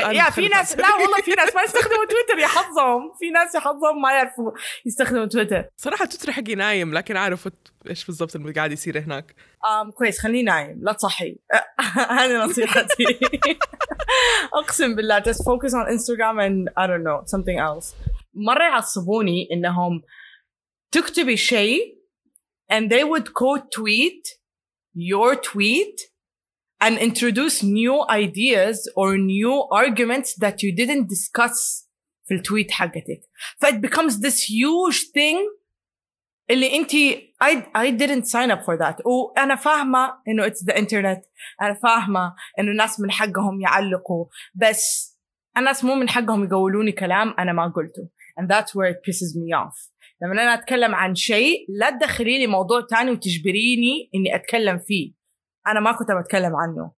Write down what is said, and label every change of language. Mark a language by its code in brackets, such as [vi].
[ar] Yeah, في ناس لا والله في ناس ما يستخدموا تويتر يحظهم. في ناس يحظهم ما يعرفوا يستخدموا تويتر. صراحة تويتر حقي نايم لكن عارف إيش بالضبط اللي قاعد يصير هناك. كويس خليني نايم لا تصحي. هذه نصيحتي. أقسم بالله [en] just focus on Instagram and I don't know something else. [ar] مرة يعصبوني إنهم تكتبي شيء [en] and they would quote tweet your tweet and introduce new ideas or new arguments that you didn't discuss [ar] في التويت حقتك. [en] فit becomes this huge thing [ar] اللي انتي [en] I didn't sign up for that. [ar] وأنا فاهمة إنه [en] it's the internet. [ar] أنا فاهمة إنه الناس من حقهم يعلقوا بس الناس مو من حقهم يقولوني كلام أنا ما قلته. [en] And that's where it pisses me off. [ar] لما أنا أتكلم عن شيء لا تدخلي لي موضوع تاني وتجبريني إني أتكلم فيه أنا ما كنت أتكلم عنه.